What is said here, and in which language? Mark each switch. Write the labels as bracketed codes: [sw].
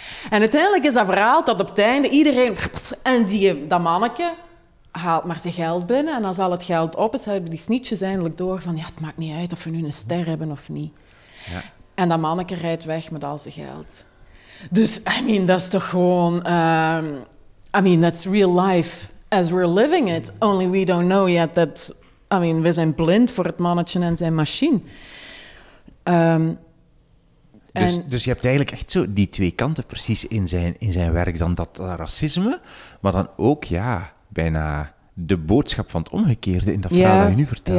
[nl] En uiteindelijk is dat verhaal tot op het einde iedereen... En dat manneke haalt maar zijn geld binnen. En als al het geld op is, hebben die Sneetches eindelijk door van... Ja, het maakt niet uit of we nu een ster hebben of niet. Ja. En dat manneke rijdt weg met al zijn geld. Dus, [en] I mean, [nl] dat is toch gewoon... [en] I mean, that's real life as we're living it. Only we don't know yet that... I mean, [nl] we zijn blind voor het mannetje en zijn machine. Dus je hebt eigenlijk echt zo die twee kanten precies in zijn werk. Dan dat racisme, maar dan ook, ja, bijna de boodschap van het omgekeerde in dat verhaal dat je nu vertelt.